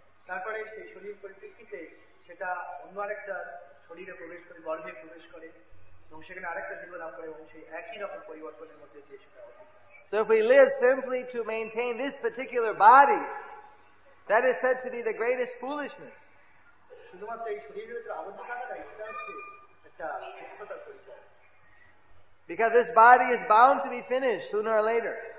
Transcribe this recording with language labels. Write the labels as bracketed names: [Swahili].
[Bangla] তারপরে সেই শরীর পরিপ্রেক্ষিতে সেটা অন্য আরেকটা শরীরে প্রবেশ করে, গর্ভে প্রবেশ করে, এবং সেখানে আরেকটা জীবন লাভ করে, এবং সেই একই রকম পরিবর্তনের মধ্যে দিয়ে সেটা হবে। [English] So if we live simply to maintain this particular body, that is said to be the greatest foolishness. [Bangla] শুধুমাত্র এই শরীরের ভিতরে আবদ্ধ থাকাটাই সেটা হচ্ছে একটা মূর্খতার পরিচয়। [English] Because this body is bound to be finished sooner or later.